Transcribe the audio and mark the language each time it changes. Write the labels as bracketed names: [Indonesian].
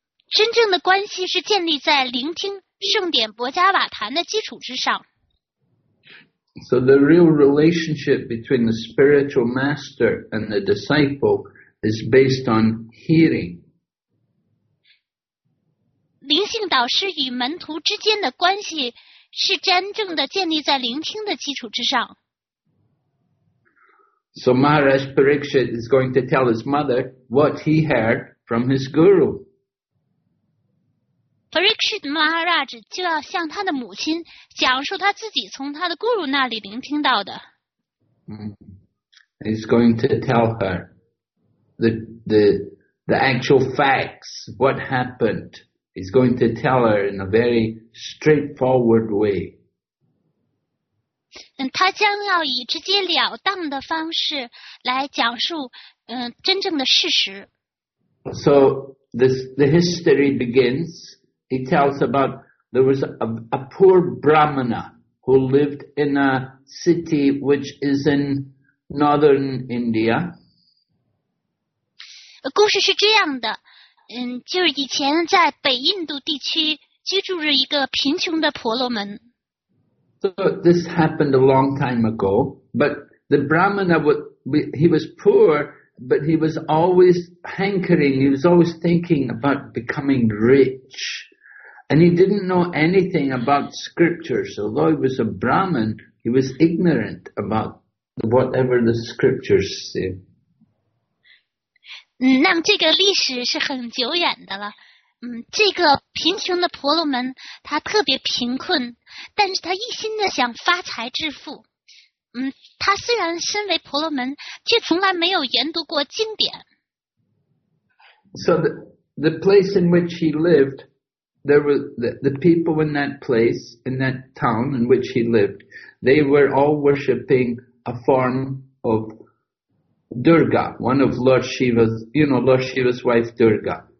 [Chinese] 真正的关系是建立在聆听圣典博伽瓦坛的基础之上。 [English] So the real relationship between the spiritual master and the disciple is based on hearing. [Chinese] 灵性导师与门徒之间的关系是真正的建立在聆听的基础之上。 [English] So Maharaj Parikshit is going to tell his mother what he heard from his guru. [Chinese] Parikshit Maharaj 就要向他的母亲讲述他自己从他的 guru 那里聆听到的。 [English] He's going to tell her the actual facts, what happened. He's going to tell her in a very straightforward way. [Chinese] 他将要以直截了当的方式来讲述真正的事实。 [English] So, the history begins. He tells about there was a poor Brahmana who lived in a city which is in northern India. [Chinese] 故事是这样的。就是以前在北印度地区居住着一个贫穷的婆罗门。 [English] So this happened a long time ago, but the Brahmana, he was poor, but he was always hankering, he was always thinking about becoming rich. And he didn't know anything about scriptures. Although he was a Brahmin, he was ignorant about whatever the scriptures say. [Chinese] 那么这个历史是很久远的了。这个贫穷的婆罗门他特别贫困，但是他一心的想发财致富。他虽然身为婆罗门，却从来没有研读过经典。 [English] So the place in which he lived, there were the people in that place, in that town in which he lived, they were all worshipping a form ofDurga, one of Lord Shiva's, you know, Lord Shiva's wife Durga.